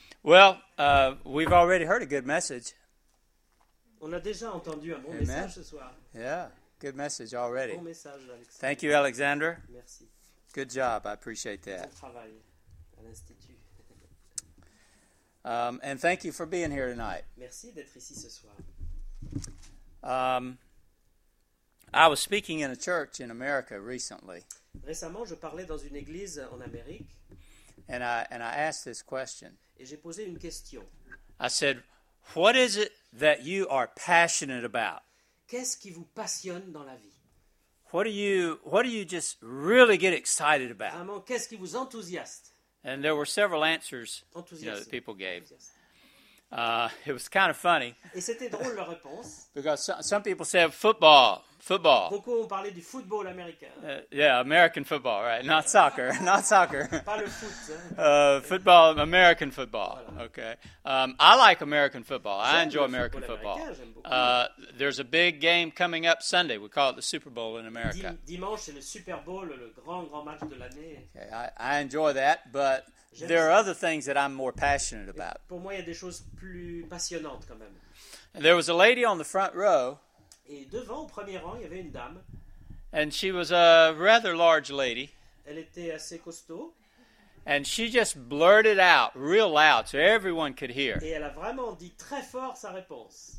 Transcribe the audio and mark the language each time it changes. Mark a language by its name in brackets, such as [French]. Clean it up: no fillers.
[English] Well, we've already heard a good message. [French] On a déjà entendu un bon message ce soir. [English] Yeah, good message already. [French] Bon message, Alexandre. [English] Thank you, Alexander. [French] Merci. [English] Good job. I appreciate that. [French] Bon travail à l'institut. [English] And thank you for being here tonight. [French] Merci d'être ici ce soir. [English] I was speaking in a church in America recently. [French] Récemment, je parlais dans une église en Amérique. [English] And I asked this question. [French] Et j'ai posé une question. [English] I said, what is it that you are passionate about? [French] Qu'est-ce qui vous passionne dans la vie? [English] What do you just really get excited about? [French] Vraiment, qu'est-ce qui vous enthousiaste? [English] And there were several answers, [French] enthousiasme, [English] that people gave. It was kind of funny. [French] Et c'était drôle, leur réponse. [English] Because some people said football. [French] Beaucoup ont parlé du football américain. [English] American football, right? Not soccer. [French] Pas le foot. [English] Football, American football. Voilà. Okay. I like American football. [French] J'aime [English] I enjoy American football. There's a big game coming up Sunday. We call it the Super Bowl in America. [French] Dimanche, c'est le Super Bowl, le grand match de l'année. [English] Okay. I enjoy that, but [French] j'aime [English] there [French] ça. [English] Are other things that I'm more passionate about. [French] Pour moi, il y a des choses plus passionnantes quand même. [English] And there was a lady on the front row. [French] Et devant, au premier rang, il y avait une dame. [English] And she was a rather large lady. [French] Elle était assez costaud. [English] And she just blurted out real loud so everyone could hear. [French] Et elle a vraiment dit très fort sa réponse.